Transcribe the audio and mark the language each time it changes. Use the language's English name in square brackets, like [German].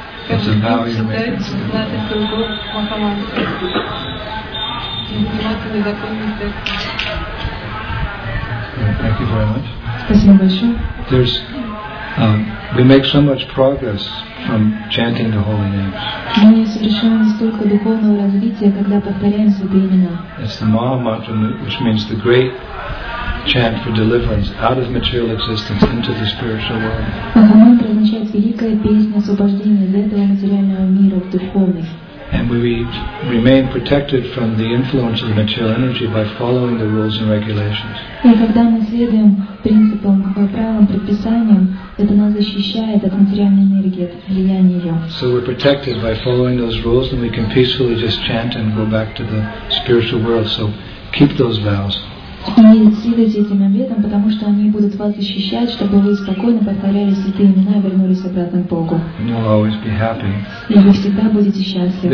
[English] It's a vow you're making. Thank you very much. There's, we make so much progress from chanting the holy names. [Russian] Мы совершаем столько духовного развития, когда повторяем святые имена. [English] It's the Maha Mantra, which means the great chant for deliverance out of material existence into the spiritual world. [Russian] Maha Mantra означает великая песня освобождения из этого материального мира в духовный. [English] And we remain protected from the influence of the material energy by following the rules and regulations. [Russian] И когда мы следуем принципам, правилам, предписаниям, это нас защищает от материальной энергии, от влияния ее. [English] So we're protected by following those rules, and we can peacefully just chant and go back to the spiritual world. So keep those vows. [Russian] И следуйте этим обетам, потому что они будут вас защищать, чтобы вы спокойно повторяли святые имена и вернулись обратно к Богу. [English] You'll always be happy. [Russian] И вы всегда будете счастливы.